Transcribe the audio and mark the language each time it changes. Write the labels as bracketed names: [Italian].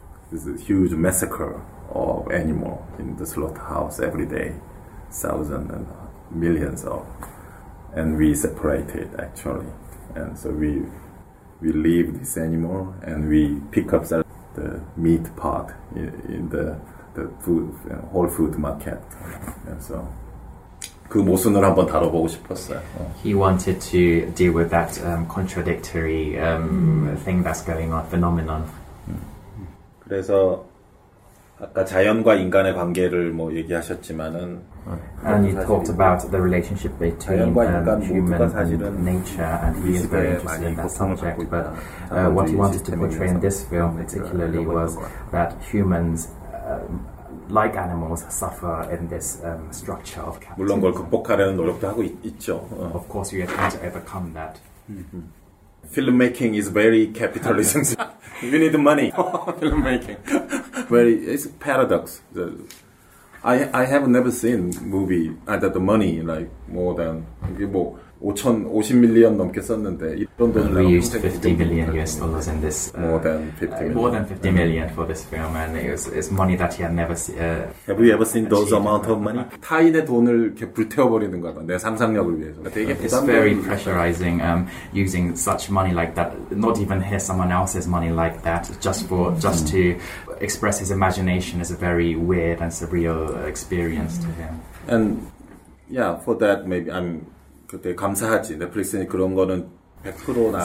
[English] There's a huge massacre of animal in the slaughterhouse every day, thousands and millions of, and we separate it actually, and so we leave this animal and we pick up the meat part in the food, you know, whole food market, and so. [Korean] 그 모순을 한번 다뤄보고 싶었어요. [English] He wanted to deal with that contradictory thing that's going on, phenomenon. [Korean] 그래서 아까 자연과 인간의 관계를 뭐 얘기하셨지만은 [English] And you talked about the relationship between [Korean] 자연과 [English] 인간 human and nature, and he is very interested in that subject. But what he wanted to portray in this film particularly was that humans like animals suffer in this structure of capitalism. [Korean] 물론 그걸 극복하려는 노력도 하고 있죠. [English] Of course, we are trying to overcome that. Filmmaking is very capitalism. You need money. Filmmaking. Very, it's a paradox. I have never seen movie that the money like more than [Korean] 이게 뭐 5천 50밀리언 넘게 썼는데 이런 돈을 [English] We used 50 million US dollars in this more than 50 million for this film, and it's money that he had never seen. Have you ever seen those amount of money? [Korean] 타인의 돈을 이렇게 불태워버리는 거다. 내 상상력을 위해서. [English] It's very pressurizing using such money like that. Not even his, someone else's money like that, just to express his imagination is a very weird and surreal experience to him. And yeah, for that maybe I'm [Korean] 그때 감사하지 넷플릭스는 그런 거는 100% 나한테